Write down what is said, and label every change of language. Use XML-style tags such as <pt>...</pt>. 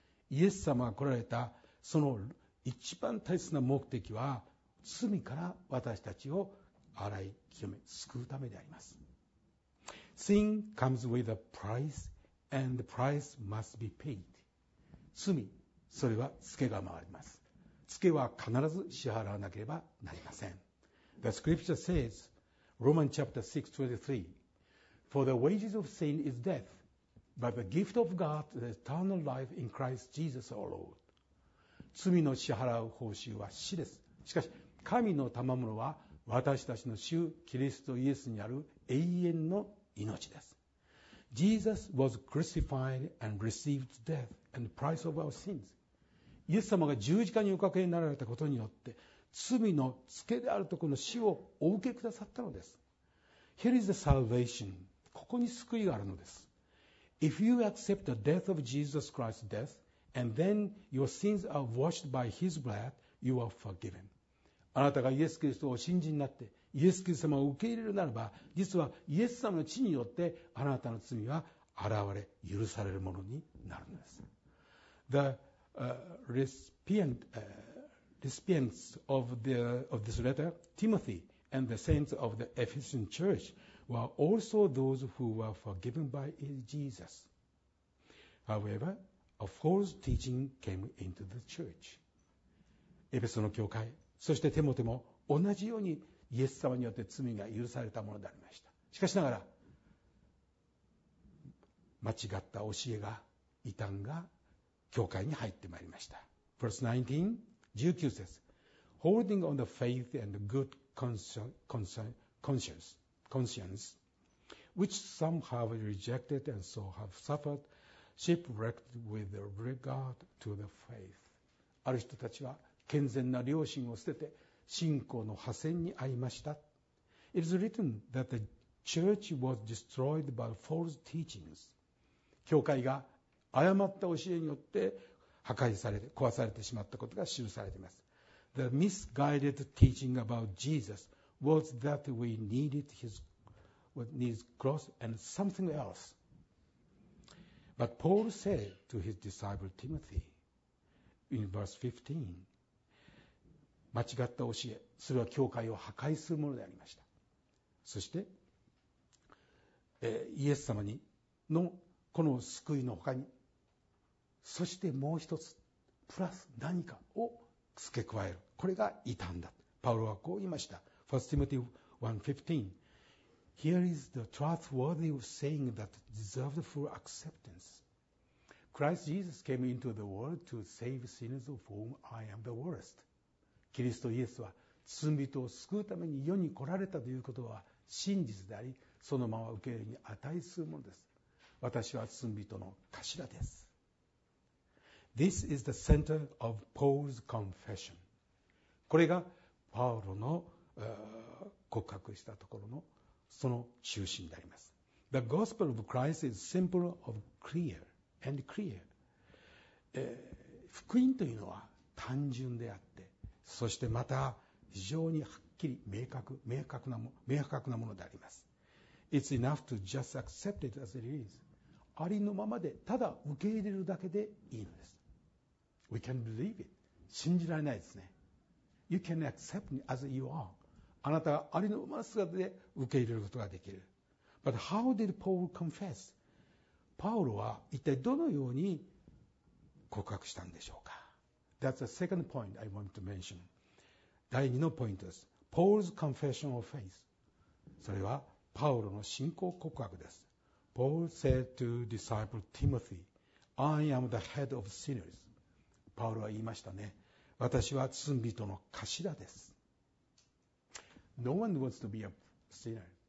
<ja>イエス様が来られたその一番大切な目的は、罪から私たちを洗い清め、救うためであります。</ja> <en>Sin comes with a price, and the price must be paid.</en> <ja>罪、それはツケが回ります。ツケは必ず支払わなければなりません。</ja> <en>The scripture says, Romans chapter 6, 23, For the wages of sin is death, but the gift of God is eternal life in Christ Jesus our Lord.</en> <ja>罪の支払う報酬は死です。しかし、神の賜物は私たちの主、キリストイエスにある永遠の命です。</ja> <en>Jesus was crucified and received death and the price of our sins.</en> <ja>イエス様が十字架におかけになられたことによって罪のつけであるところの死をお受けくださったのです。</ja> <en>Here is the salvation.</en> <ja>ここに救いがあるのです。</ja> <en>If you accept the death of Jesus Christ's death and then your sins are washed by his blood, you are forgiven.</en> <ja>あなたがイエス・キリストを信じになってイエス・キリスト様を受け入れるならば、実はイエス様の血によってあなたの罪は洗われ許されるものになるのです。</ja> <en>The recipients of this letter, Timothy and the saints of the Ephesian church were also those who were forgiven by Jesus. However, a false teaching came into the church.</en> <ja>エペソの教会、そしてテモテも同じようにイエス様によって罪が許されたものでありました。しかしながら間違った教えが、異端が教会に入ってまいりました。</ja> <en>Verse 19 says, Holding on the faith and good conscience, which some have rejected and so have suffered shipwrecked with regard to the faith.</en> <ja>ある人たちは健全な良心を捨てて信仰の破線に遭いました。</ja> <en>It is written that the church was destroyed by false teachings.</en> <ja>教会が誤った教えによって破壊されて壊されてしまったことが記されています。</ja> <en>The misguided teaching about Jesus was that we needed his cross and something else. But Paul said to his disciple Timothy in verse 15,</en> <ja>間違った教え、それは教会を破壊するものでありました。そして、イエス様にのこの救いの他に、そしてもう一つプラス何かを付け加える、これが異端だ。パウロはこう言いました。</ja> <en>1 Timothy 1:15 Here is the trustworthy saying that deserved full acceptance. Christ Jesus came into the world to save sinners of whom I am the worst.</en> <ja>キリストイエスは罪人を救うために世に来られたということは真実であり、そのまま受け入れに値するものです。私は罪人の頭です。</ja> <en>This is the center of Paul's confession.</en> <ja>これがパウロの告白したところのその中心であります。</ja> <en>The gospel of Christ is simple of clear and clear.</en> <ja>福音というのは単純であって、そしてまた非常にはっきり明確なものであります。</ja> <en>It's enough to just accept it as it is.</en> <ja>ありのままでただ受け入れるだけでいいのです。</ja> <en>We can believe it.</en> <ja>信じられないですね。</ja> <en>You can accept me as you are.</en> <ja>あなたがありのまま姿で受け入れることができる。</ja> <en>But how did Paul confess?</en> <ja>パウロは一体どのように告白したんでしょうか。</ja> <en>That's the second point I want to mention.</en> <ja>第二のポイントです。</ja> <en>Paul's confession of faith.</en> <ja>それはパウロの信仰告白です。</ja> <en>Paul said to disciple Timothy, I am the head of sinners.</en> <ja>パウロは言いましたね。私は罪人の頭です。</ja> <en>No one wants to be a sinner.</en>